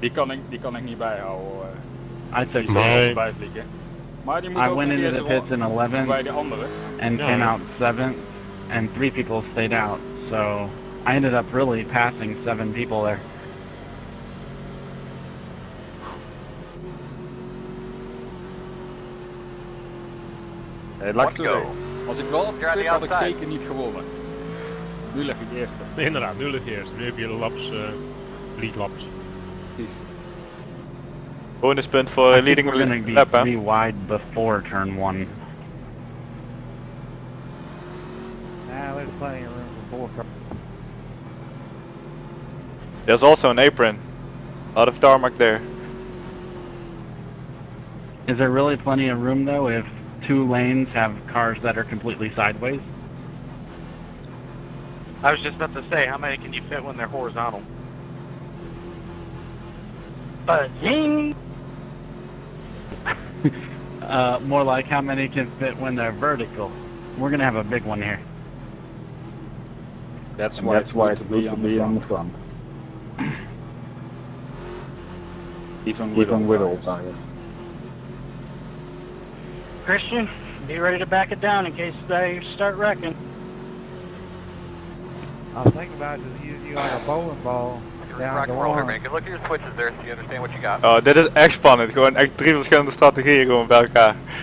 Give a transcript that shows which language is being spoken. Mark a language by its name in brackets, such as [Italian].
[Dutch] Die kan ik niet bijhouden. [English] I took mine. I went into the pits in 11th and came out 7th, and 3 people stayed out, so I ended up really passing 7 people there. Hey, luck to go. [Dutch] Als ik golf had, had ik zeker niet gewonnen. Nu lig ik eerst. Nee, inderdaad, nu lig ik eerst. Nu heb je laps, lead laps. Precies. Bonus punt voor leading lap, hè? [English] I think we're gonna be 3 wide before turn 1. Nah, there's plenty of room before turn. There's also an apron. Out of tarmac there. Is there really plenty of room, though, if 2 lanes have cars that are completely sideways? I was just about to say, how many can you fit when they're horizontal? Ba-zing! More like how many can fit when they're vertical. We're gonna have a big one here. That's why it's good to be on the front. Even with all tires. Christian, be ready to back it down in case they start wrecking. I'll think about just using you on a bowling ball. Rock and roll here, man. Look at your switches there, so you understand what you got. [Dutch] Oh, dit is echt spannend. Gewoon echt 3 verschillende strategieën gewoon bij elkaar.